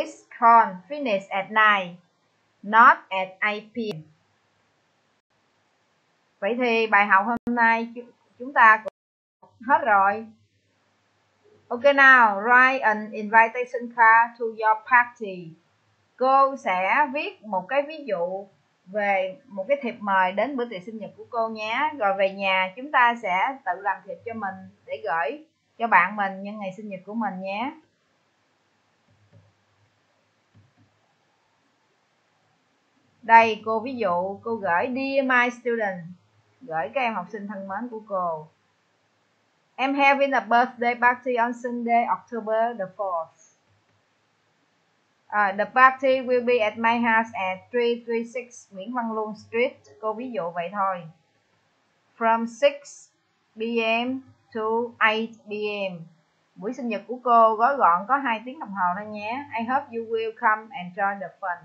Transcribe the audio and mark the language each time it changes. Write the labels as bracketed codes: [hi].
[en] It's con, finish at 9, not at 8 p.m. [vi] Vậy thì bài học hôm nay chúng ta cũng hết rồi. [en] Ok now, write an invitation card to your party. [vi] Cô sẽ viết một cái ví dụ về một cái thiệp mời đến bữa tiệc sinh nhật của cô nhé. Rồi về nhà chúng ta sẽ tự làm thiệp cho mình để gửi cho bạn mình nhân ngày sinh nhật của mình nhé. Đây cô ví dụ, cô gửi [en] Dear My Student, [vi] gửi các em học sinh thân mến của cô. [en] I'm having a birthday party on Sunday, October the 4th. The party will be at my house at 336 Nguyễn Văn Luân Street. [vi] Cô ví dụ vậy thôi. [en] From 6 p.m. to 8 p.m. [vi] Buổi sinh nhật của cô gói gọn có 2 tiếng đồng hồ thôi nhé. [en] I hope you will come and join the fun.